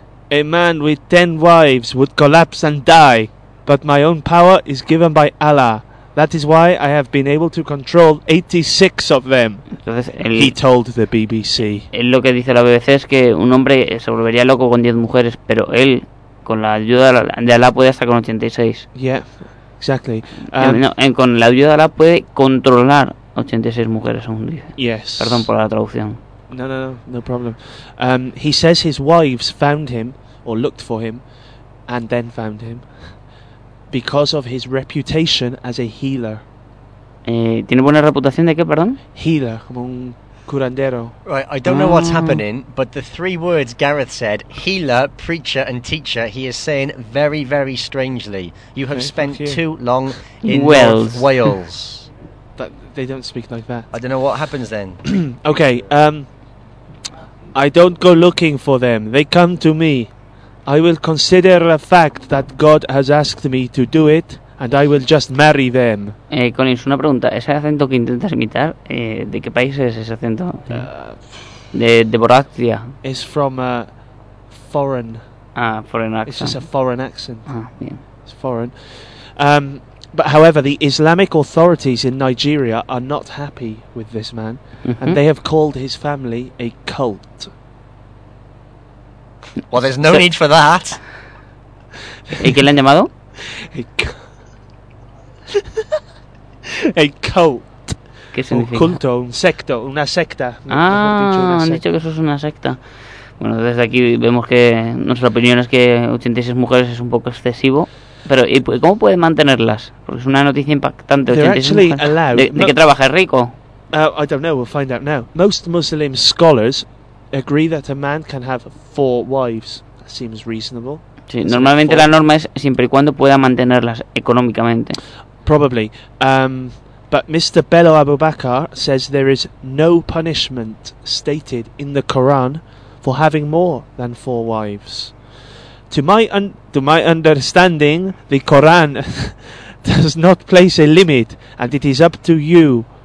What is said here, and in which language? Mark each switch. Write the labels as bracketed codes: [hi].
[en] A man with 10 wives would collapse and die, but my own power is given by Allah. That is why I have been able to control 86 of them. [es] Entonces, [en] he told the BBC. [es] Él lo que dice la BBC es que un hombre se volvería loco con 10 mujeres, pero él, con la ayuda de Allah, puede hasta con 86. [en] Yeah, exactly. [es] Con la ayuda de Allah puede controlar 86 mujeres, según dice. [en] Yes. [es] Perdón por la traducción. [en] No problem. He says his wives found him, or looked for him, and then found him, because of his reputation as a healer. [es] ¿Tiene buena reputación de qué, perdón? Healer, como un curandero. [en] Right, I don't know what's happening, but the three words Gareth said, healer, preacher, and teacher, he is saying very, very strangely. You have spent too long in Wales. But they don't speak like that. I don't know what happens then. Okay, I don't go looking for them. They come to me. I will consider the fact that God has asked me to do it, and I will just marry them. [es] Collins, una pregunta. ¿Ese acento que intentas imitar, de qué país es ese acento? De Boracia. [en] It's from a foreign... Ah, foreign accent. It's just a foreign accent. [es] Ah, bien. [en] It's foreign. But however, the Islamic authorities in Nigeria are not happy with this man, mm-hmm. and they have called his family a cult. Well, there's no need for that. [es] ¿Y quién le han llamado? [en] A cult. [es] ¿Qué significa? Un culto, un secto, una secta. Han dicho que eso es una secta. Bueno, desde aquí vemos que nuestra opinión es que 86 mujeres es un poco excesivo. Pero, ¿y cómo pueden mantenerlas? Porque es una noticia impactante. ¿De qué trabaja? ¿Es rico? [en] I don't know. We'll find out now. Most Muslim scholars agree that a man can have 4 wives. Seems reasonable. [es] Sí, normalmente la norma es siempre y cuando pueda mantenerlas económicamente. [en] Probably. But Mr. Bello Abubakar says there is no punishment stated in the Quran for having more than 4 wives. To my understanding, the Quran does not place a limit, and it is up to you.